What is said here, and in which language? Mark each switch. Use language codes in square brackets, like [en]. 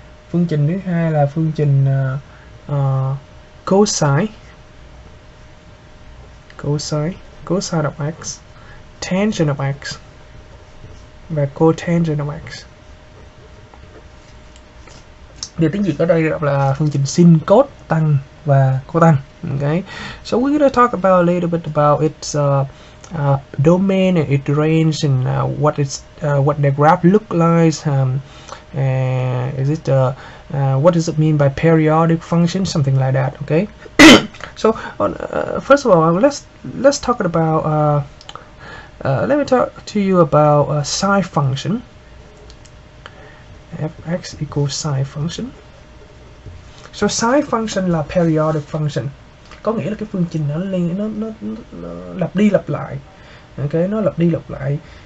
[vi] Phương trình thứ hai là phương trình cosine of x, tangent of x và cotangent of x. Điều tiếng Việt ở đây đọc là phương trình sin cos tăng và cotăng. [en] Okay. So we're going to talk about a little bit about its domain and its range, and what the graph look like. What does it mean by periodic function, something like that. Okay. So first of all, let's talk about let me talk to you about a sine function. Fx equals sine function. [vi] So sine function là periodic function, có nghĩa là cái phương trình nó lặp đi lặp lại. Okay, nó lặp đi lặp lại.